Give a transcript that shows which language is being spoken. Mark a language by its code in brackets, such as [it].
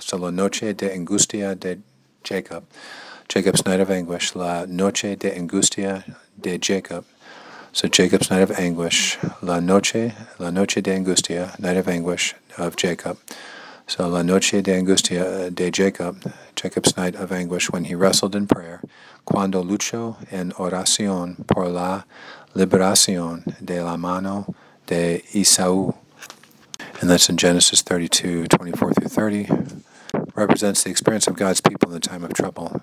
[es] So la noche de angustia de Jacob. [en] Jacob's night of anguish. [es] La noche de angustia de Jacob. [en] So Jacob's night of anguish. [es] La noche de angustia. [en] Night of anguish of Jacob. [es] So la noche de angustia de Jacob. [en] Jacob's night of anguish when he wrestled in prayer. [es] Cuando luchó en oración por la liberación de la mano de Esaú. [en] And that's in Genesis 32:24-30. Represents the experience of God's people in the time of trouble.